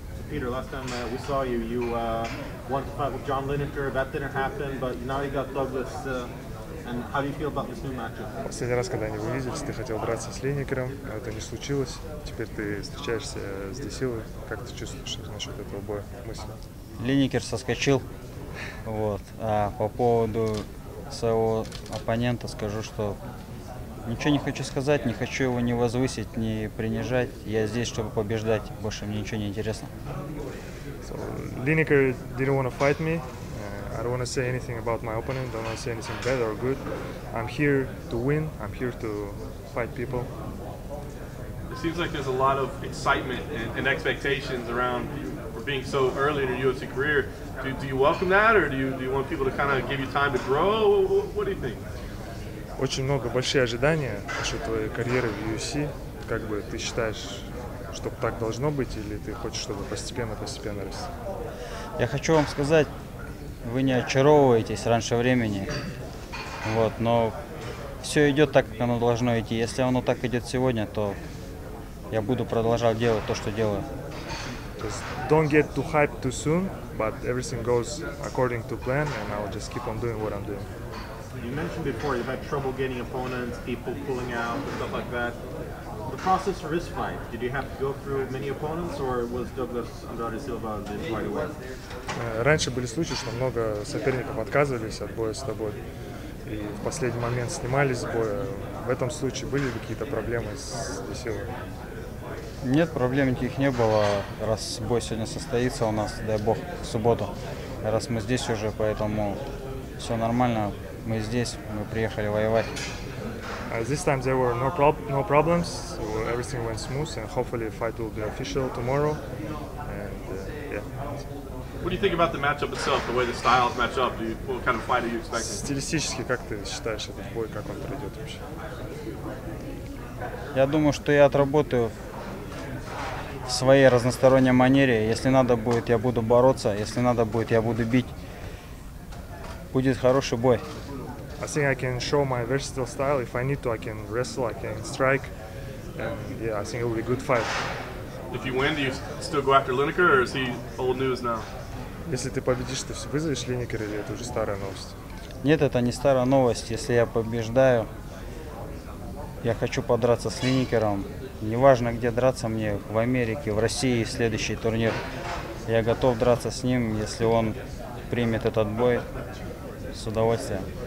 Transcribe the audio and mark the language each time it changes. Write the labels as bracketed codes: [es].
[en] Peter, last time we saw you, you wanted to fight with John Lineker. That didn't happen, but now you got Douglas. And how do you feel about this new matchup? [ru] Последний раз, когда они увиделись, ты хотел драться с Линекером, а это не случилось. Теперь ты встречаешься с Десилой. Как ты чувствуешь насчет этого боя? Мысли? Линекер соскочил. Вот. А по поводу своего оппонента скажу, что ничего не хочу сказать, не хочу его ни возвысить, ни принижать. Я здесь, чтобы побеждать. Больше мне ничего не интересно. [en] Линекер didn't want to fight me. I don't want to say anything about my opponent, I don't want to say anything bad or good. I'm here to win, I'm here to fight people. It seems like there's a lot of excitement and expectations around for being so early in your UFC career. Do you welcome that, or do you want people to kind of give you time to grow? What do you think? [ru] Очень много большие ожидания насчет твоей карьеры в UFC. Как бы ты считаешь, что так должно быть, или ты хочешь, чтобы постепенно расти? Я хочу вам сказать, вы не очаровываетесь раньше времени, вот, но все идет так, как оно должно идти. Если оно так идет сегодня, то я буду продолжать делать то, что делаю. [en] Just don't get too hyped too soon, but everything goes according to plan, and I'll just keep on doing what I'm doing. You mentioned before you've had trouble getting opponents, people pulling out, and stuff like that. The process for this fight, did you have to go through many opponents, or was Douglas Andrade Silva this right away? [ru] Раньше были случаи, что много соперников отказывались от боя с тобой и в последний момент снимались с боя. В этом случае были ли какие-то проблемы с Десилой? Нет, проблем никаких не было. Раз бой сегодня состоится у нас, дай бог, в субботу. Раз мы здесь уже, поэтому все нормально. Мы здесь, мы приехали воевать. [en] This time there were no problems, so everything went smooth, and hopefully fight will be official tomorrow. And, yeah. What do you think about the matchup itself, the way the styles match up? What kind of fight are you expecting? [ru] Стилистически, как ты считаешь этот бой, как он пройдет вообще? Я думаю, что я отработаю в своей разносторонней манере. Если надо будет, я буду бороться. Если надо будет, я буду бить. Будет хороший бой. [en] I think I can show my versatile style. If I need to, I can wrestle, I can strike. And yeah, I think it will be a good fight. If you win, do you still go after Lineker, or is he old news now? [ru] Если ты победишь, ты вызовешь Линекера, или это уже старая новость? Нет, это не старая новость. Если я побеждаю, я хочу подраться с Линекером. Неважно, где драться мне, в Америке, в России, следующий турнир. Я готов драться с ним, если он примет этот бой с удовольствием.